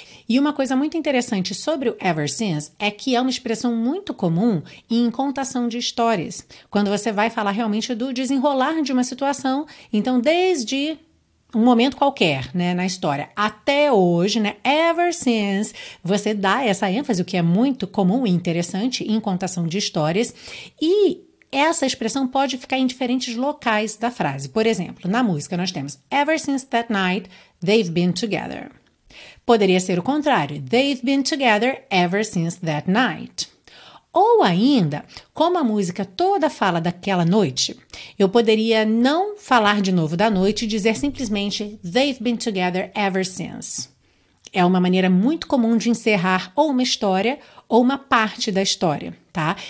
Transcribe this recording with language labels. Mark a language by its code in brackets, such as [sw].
[pt] E uma coisa muito interessante sobre o [en] ever since [pt] é que é uma expressão muito comum em contação de histórias, quando você vai falar realmente do desenrolar de uma situação, então desde um momento qualquer, né, na história, até hoje, né, ever since, você dá essa ênfase, o que é muito comum e interessante em contação de histórias, e essa expressão pode ficar em diferentes locais da frase. Por exemplo, na música nós temos [en] ever since that night, they've been together. [pt] Poderia ser o contrário, [en] they've been together ever since that night. [pt] Ou ainda, como a música toda fala daquela noite, eu poderia não falar de novo da noite e dizer simplesmente [en] they've been together ever since. [pt] É uma maneira muito comum de encerrar ou uma história ou uma parte da história, tá?